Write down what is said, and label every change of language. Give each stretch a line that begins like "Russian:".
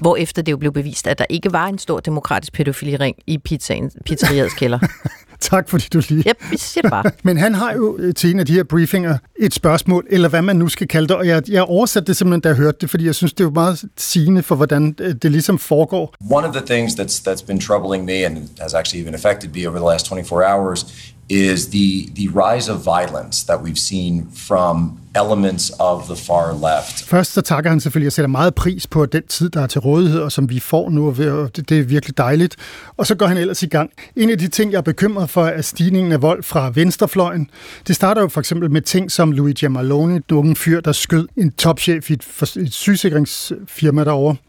Danish: Hvorefter det jo blev bevist, at der ikke var en stor demokratisk pædofiliring i pizzeriets kælder. Tak, fordi du lige... Yep, jeg siger det bare. Men han har jo til en af de her briefinger et spørgsmål, eller hvad man nu skal kalde det, og jeg oversatte det simpelthen, da jeg hørte det, fordi jeg synes, det er meget sigende for, hvordan det ligesom foregår.
English: One of the things that's been troubling me and has actually even affected me over the last 24 hours is the rise of violence that we've seen from elements of the far left.
Danish: Først så takker han selvfølgelig og sætter meget pris på den tid, der er til rådighed, og som vi får nu, og det er virkelig dejligt. Og så går han ellers i gang. En af de ting, jeg er bekymret for, er stigningen af vold fra venstrefløjen. Det starter jo for eksempel med ting som Luigi Maloney, den unge fyr, der skød en topchef i et sygesikringsfirma derovre.